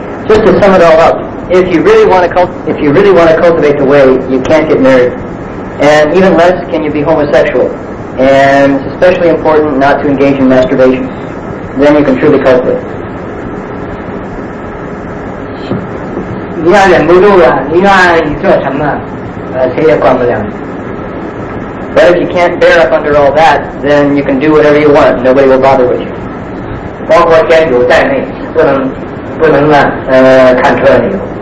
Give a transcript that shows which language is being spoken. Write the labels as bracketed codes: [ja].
[en] Just to sum it all up, if you really want to cultivate the way, you can't get married, and even less can you be homosexual. And it's especially important not to engage in masturbation. Then you can truly cope with it. [zh] 你要忍不住了，你愿意做什么，谁也管不了。 [en] But if you can't bear up under all that, then you can do whatever you want. Nobody will bother with you. [zh] 包括天主在内，不能 [en] control you.